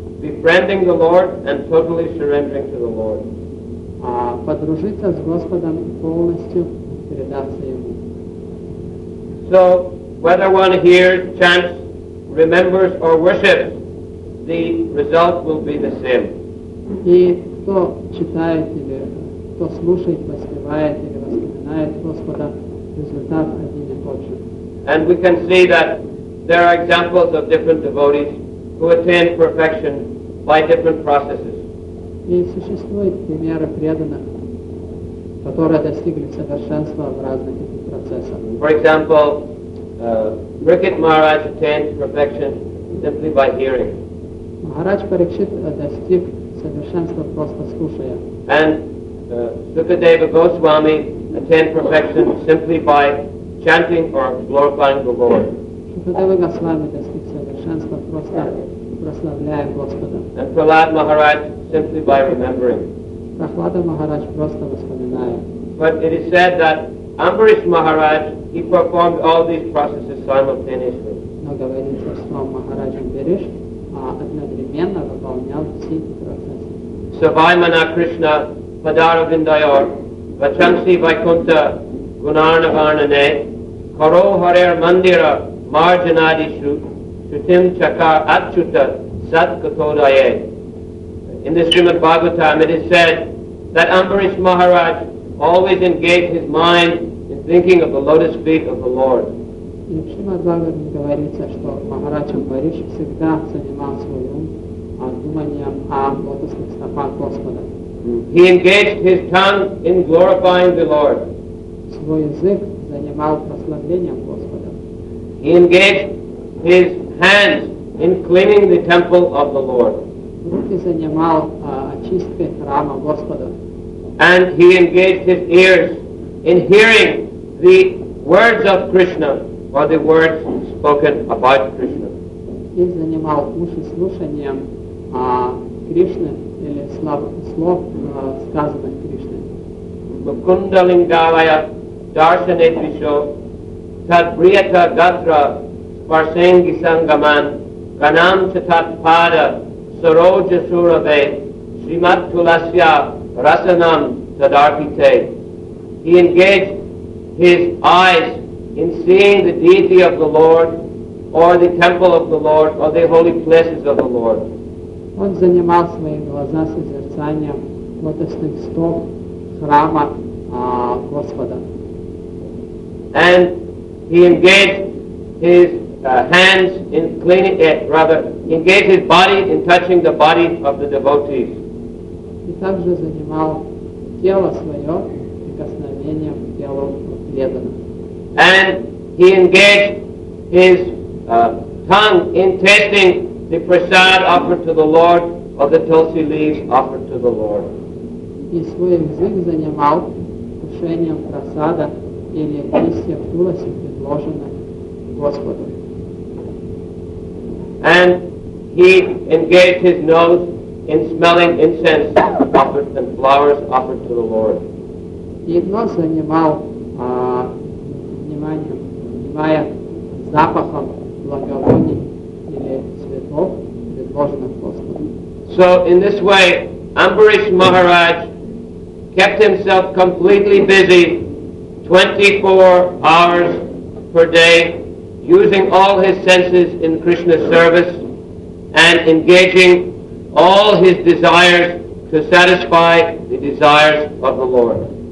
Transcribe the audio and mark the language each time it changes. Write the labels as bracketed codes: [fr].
[en] Befriending the Lord and totally surrendering to the Lord. [ru] Подружиться с Господом и полностью передаться ему. [en] So whether one hears, chants, remembers or worships, the result will be the same. [ru] И кто читает или кто слушает, воспевает или воспоминает Господа, результат один и тот же. [en] And we can see that there are examples of different devotees who attain perfection by different processes. [ru] И существуют примеры преданных, которые достигли совершенства в разных этих процессах. [en] For example, Rikit Maharaj attained perfection simply by hearing. [ru] Maharaj Parikshit достиг совершенства просто слушая. [en] And Sukadeva Goswami attained perfection simply by chanting or glorifying the Lord. [ru] Sukadeva Goswami достиг совершенства просто прославляя Господа. [en] And Prahlad Maharaj simply by remembering. [ru] Prahlada Maharaj просто воспоминая. [en] But it is said that Ambarish Maharaj, he performed all these processes simultaneously. [ru] Но говорится, что Махарадж Амбариш одновременно выполнял все эти процессы. [sa] Саваймана Кришна, Падаравиндайор, Вачанси Вайкунта, Гунарнаварнане, Каро Харер Мандира, Марджанадишу, Шутим Чакар Атчута, Сат Катодайе. [en] In the Srimad Bhagavatam, it is said that Ambarish Maharaj always engaged his mind thinking of the lotus feet of the Lord. [ru] И в Шримад-Бхагаватам говорится, что Махарадж Амбариш всегда занимал свой ум думанием о лотосных стопах Господа. [en] He engaged his tongue in glorifying the Lord. [ru] Свой язык занимал прославлением Господа. [en] He engaged his hands in cleaning the temple of the Lord. [ru] Руки занимал очисткой храма Господа. [en] And he engaged his ears in hearing the words of Krishna or the words spoken about Krishna. [ru] И занимал уши слушанием Кришны или слов сказанных Кришной. [sa] Мукундалингалая дарсанетвишо садбриета гатра спарсенги сангаман ганам читат пада сароджа сураве шримат туласья расанам садарпите. [en] He engaged his eyes in seeing the deity of the Lord or the temple of the Lord or the holy places of the Lord. [ru] Он занимал свои глаза созерцанием лотосных стоп храма Господа. [en] And he engaged his hands in cleaning it, rather, engaged his body in touching the body of the devotees. [ru] И также занимал тело свое прикосновением к телу преданных. [en] and he engaged his tongue in tasting the prasad offered to the Lord or the tulsi leaves offered to the Lord. [ru] И свой язык занимал кушением прасада или листья туласи, предложенных Господу. [en] And he engaged his nose in smelling incense offered and flowers offered to the Lord. [ru] И нос занимал вниманием, внимая запахом благовоний или цветов, предложенных Господу. [en] So in this way, Ambarish Maharaj kept himself completely busy 24 hours per day, using all his senses in Krishna's service and engaging all his desires to satisfy the desires of the Lord.